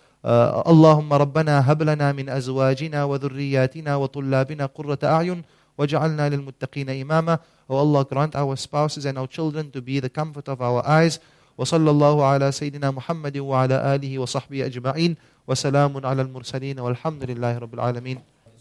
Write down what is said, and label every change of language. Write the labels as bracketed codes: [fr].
[ar] اللهم ربنا هب لنا من أزواجنا وذرياتنا وطلابنا قرة أعين وجعلنا للمتقين إماما. [en] Oh Allah, grant our spouses and our children to be the comfort of our eyes. [ar] وصلى الله على سيدنا محمد وعلى آله وصحبه أجمعين وسلام على المرسلين والحمد لله رب العالمين.